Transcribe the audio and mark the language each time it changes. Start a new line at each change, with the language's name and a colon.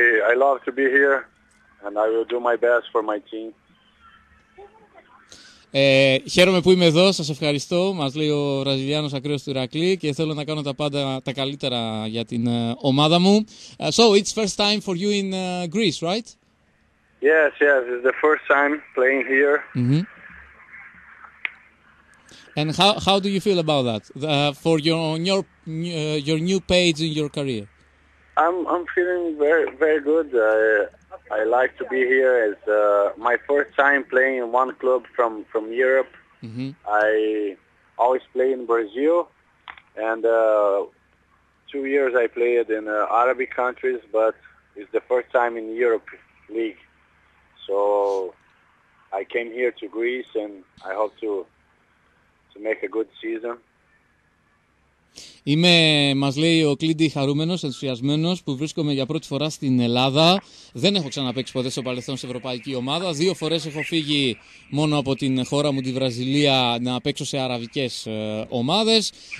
English: I love to be here, and I will do my best for my team.
Greek: Χαίρομαι που είμαι εδώ, σας ευχαριστώ. Μας λέει ο Βραζιλιάνος ακραίος του Ηρακλή και θέλω να κάνω τα πάντα τα καλύτερα για την ομάδα μου.
English: So, it's first time for you in Greece, right? Yes, yes, it's the first time playing here. Mm-hmm. And how do you feel about that? For your new page in your career? I'm feeling very very good. I like to be here. It's my first time playing in one club from Europe. Mm-hmm. I always play in Brazil, and 2 years I played in Arabic countries, but it's the first time in Europe League. So I came here to Greece, and I hope to make a good season.
Greek: Είμαι, μας λέει ο Κλίντι, χαρούμενος, ενθουσιασμένος που βρίσκομαι για πρώτη φορά στην Ελλάδα. Δεν έχω ξαναπαίξει ποτέ στο παρελθόν σε ευρωπαϊκή ομάδα. 2 φορές έχω φύγει μόνο από την χώρα μου, τη Βραζιλία, να παίξω σε αραβικές ομάδες.